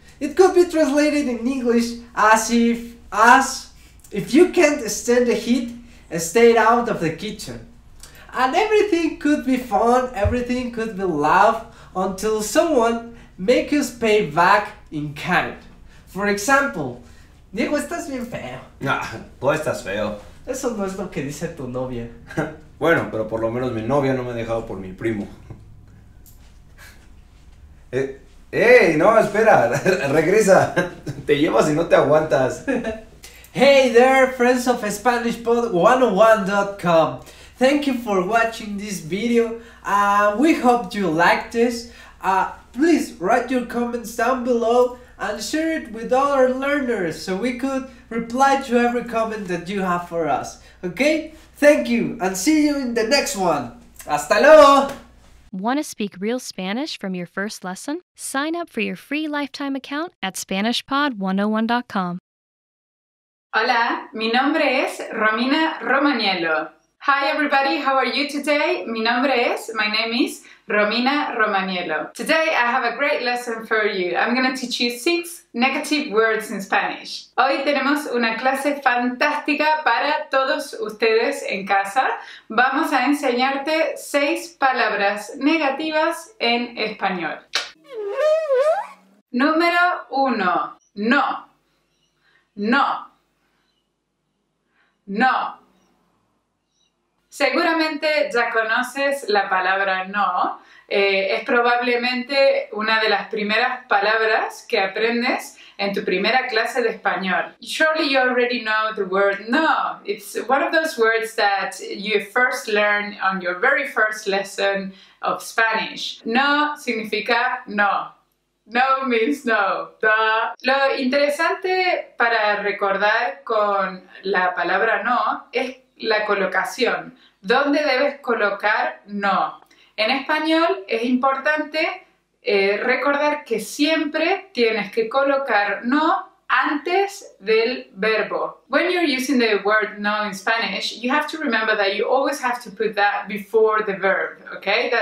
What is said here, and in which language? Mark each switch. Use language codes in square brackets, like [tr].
[en] It could be translated in English as if you can't stand the heat, stay out of the kitchen. And everything could be fun, everything could be love, until someone makes us pay back in kind. For example, [es] Diego, estás bien feo. Ah, tú estás feo. Eso no es lo que dice tu novia. Bueno, pero por lo menos mi novia no me ha dejado por mi primo. ¡Ey! No, espera, regresa. Te llevas y no te aguantas. [en] Hey there, friends of SpanishPod101.com. Thank you for watching this video. We hope you liked this. Please write your comments down below and share it with all our learners so we could reply to every comment that you have for us. Okay? Thank you and see you in the next one. [es] Hasta luego! [en] Want to speak real Spanish from your first lesson? Sign up for your free lifetime account at SpanishPod101.com. [es] Hola, mi nombre es Romina Romaniello. [en] Hi everybody, how are you today? My name is Romina Romaniello. Today I have a great lesson for you. I'm going to teach you 6 negative words in Spanish. [es] Hoy tenemos una clase fantástica para todos ustedes en casa. Vamos a enseñarte 6 palabras negativas en español. Número 1. No. No. No. Seguramente ya conoces la palabra no. Es probablemente una de las primeras palabras que aprendes en tu primera clase de español. [en] Surely you already know the word no. It's one of those words that you first learn on your very first lesson of Spanish. [es] No significa no. [en] No means no. Duh. [es] Lo interesante para recordar con la palabra no es la colocación. ¿Dónde debes colocar no? En español es importante recordar que siempre tienes que colocar no antes del verbo. [en] When you're using the word no in Spanish, you have to remember that you always have to put that before the verb, okay?